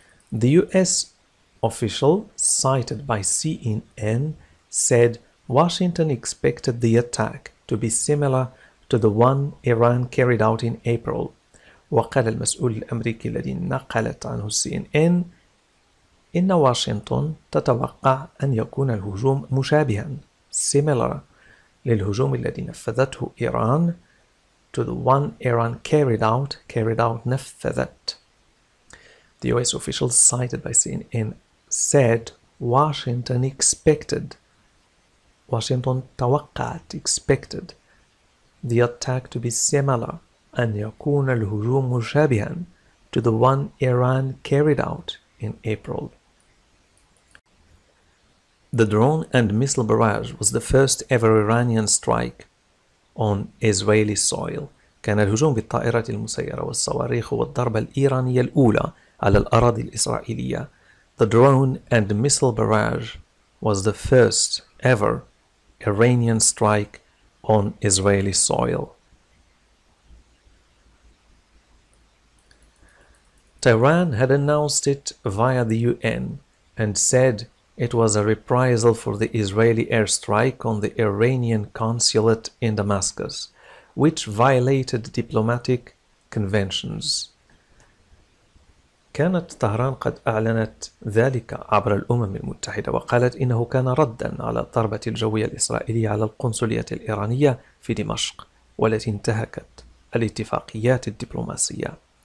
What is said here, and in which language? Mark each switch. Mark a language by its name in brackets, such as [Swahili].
[English] The US official cited by CNN said Washington expected the attack to be similar to the one Iran carried out in April. [Arabic] وقال المسؤول الأمريكي الذي نقلت عنه CNN إن واشنطن تتوقع أن يكون الهجوم مشابها [English] similar [Arabic] للهجوم الذي نفذته إيران [English] to the one Iran carried out [Arabic] نفذت. [English] The US official cited by CNN said Washington expected [Arabic] واشنطن توقعت [English] expected the attack to be similar [Arabic] أن يكون الهجوم مشابها [English] to the one Iran carried out in April. The drone and missile barrage was the first ever Iranian strike on Israeli soil. [Arabic] كان الهجوم بالطائرات المسيرة والصواريخ والضربة الإيرانية الأولى على الأراضي الإسرائيلية. [English] The drone and missile barrage was the first ever Iranian strike on Israeli soil. Tehran had announced it via the UN and said it was a reprisal for the Israeli airstrike on the Iranian consulate in Damascus, which violated diplomatic conventions. [Arabic] كانت طهران قد أعلنت ذلك عبر الأمم المتحدة وقالت إنه كان رداً على الضربة الجوية الإسرائيلية على القنصلية الإيرانية في دمشق والتي انتهكت الاتفاقيات الدبلوماسية.